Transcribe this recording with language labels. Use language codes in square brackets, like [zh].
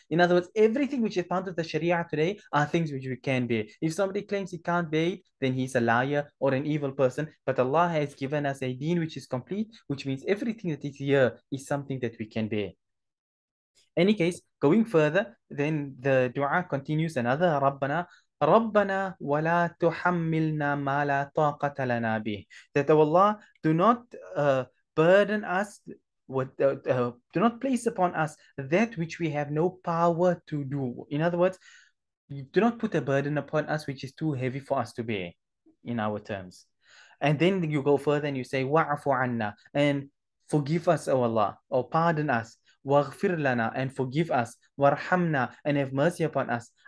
[en] In other words, everything which is part of the Sharia today are things which we can bear. If somebody claims he can't bear it, then he's a liar or an evil person. But Allah has given us a deen which is complete, which means everything that is here is something that we can bear. Any case, going further, then the dua continues another Rabbana. [ar] ربنا ولا تحملنا ما لا طاقة لنا به. [en] That Allah do not burden us with, do not place upon us that which we have no power to do. In other words, do not put a burden upon us which is too heavy for us to bear, in our terms. And then you go further and you say, [ar] wa'afu anna, [en] and forgive us, O Allah, or pardon us, [ar] waghfir lana, [en] and forgive us, warhamna, and have mercy upon us.